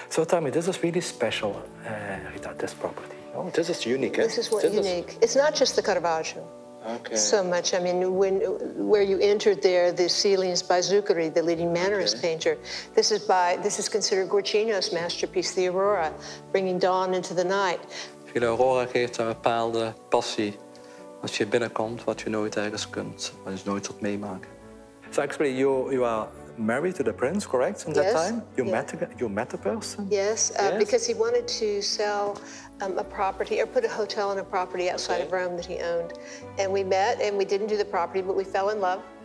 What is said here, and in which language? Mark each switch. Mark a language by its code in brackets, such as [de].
[en] So tell me, this is really special, Rita, this property. Oh, this is unique. This is what's unique. It's not just the Caravaggio. Okay. So much. I mean, where you entered there, the ceilings by Zuccheri, the leading mannerist painter. This is considered Guercino's masterpiece, the Aurora, bringing dawn into the night. [nl] Villa Aurora geeft een bepaalde passie. Als je binnenkomt, wat je nooit ergens kunt, wat je nooit zult meemaken. [en] So actually, you are married to the prince, correct? In that yes. time, you yeah. met the person. Yes, yes. Because he wanted to sell a property or put a hotel in a property outside of Rome that he owned, and we met, and we didn't do the property, but we fell in love.